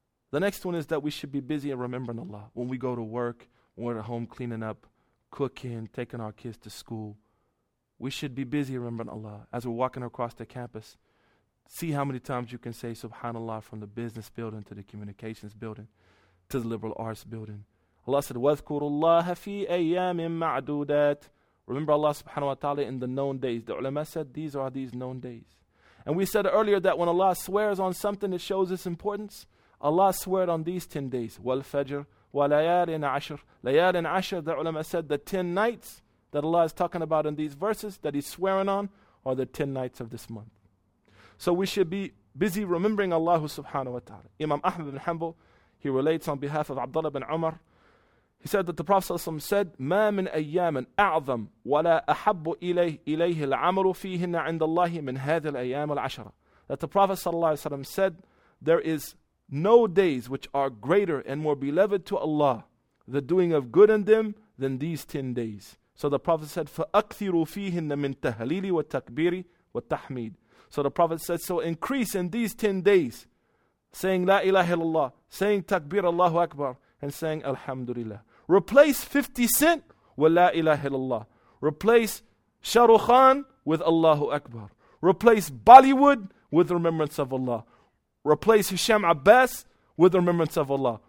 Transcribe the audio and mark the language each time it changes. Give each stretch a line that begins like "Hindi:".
English: The next one is that we should be busy in remembering Allah. When we go to work, when we're at home cleaning up, cooking, taking our kids to school, we should be busy remembering Allah. As we're walking across the campus, see how many times you can say subhanallah from the business building to the communications building to the liberal arts building. Allah said,
Arabic: وَذْكُرُ اللَّهَ فِي أَيَّامٍ مَعْدُودَاتٍ.
English: Remember Allah subhanahu wa ta'ala in the known days. The ulama said, these are these known days. And we said earlier that when Allah swears on something, it shows its importance. Allah sweared on these 10 days.
Arabic: وَالْفَجْرِ وَلَيَالٍ عَشْرٍ. لَيَالٍ عَشْرٍ,
English: the ulama said, the 10 nights that Allah is talking about in these verses that He's swearing on are the 10 nights of this month. So we should be busy remembering Allah subhanahu wa ta'ala. Imam Ahmad ibn Hanbal, he relates on behalf of Abdullah ibn Umar, he said that the Prophet ﷺ said,
Arabic: مَا مِنْ أَيَّامٍ أَعْظَمْ وَلَا أَحَبُّ إِلَيْهِ الْعَمَلُ فِيهِنَّ عِنْدَ اللَّهِ مِنْ هَذِي الْأَيَّامِ الْعَشَرَةِ.
English: That the Prophet ﷺ said, there is no days which are greater and more beloved to Allah, the doing of good in them, than these 10 days. So the Prophet said,
Arabic: فَأَكْثِرُوا فِيهِنَّ مِنْ تَهْلِيلِ وَتَكْبِيرِ وَتَحْمِيدِ.
English: So the Prophet said, so increase in these 10 days, saying La ilaha illallah, saying Takbir Allahu Akbar, and saying Alhamdulillah. Replace 50 cent with La ilaha illallah. Replace Shah Rukh Khan with Allahu Akbar. Replace Bollywood with remembrance of Allah. Replace Hisham Abbas with remembrance of Allah.